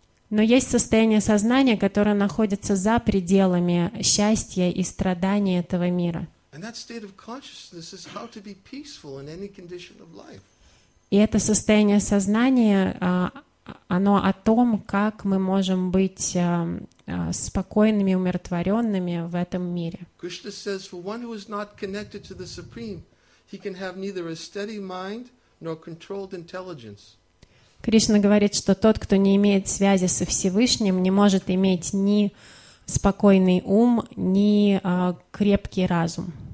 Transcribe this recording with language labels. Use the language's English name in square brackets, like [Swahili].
[Russian] Но есть состояние сознания, которое находится за пределами счастья и страданий этого мира. [English] And that state of consciousness is how to be peaceful in any condition of life. [Russian] И это состояние сознания, оно о том, как мы можем быть спокойными, умиротворенными в этом мире. [English] Krishna says, for one who is not connected to the Supreme, he can have neither a steady mind nor controlled intelligence. [Russian] Кришна говорит, что тот, кто не имеет связи со Всевышним, не может иметь ни спокойный ум, ни крепкий разум.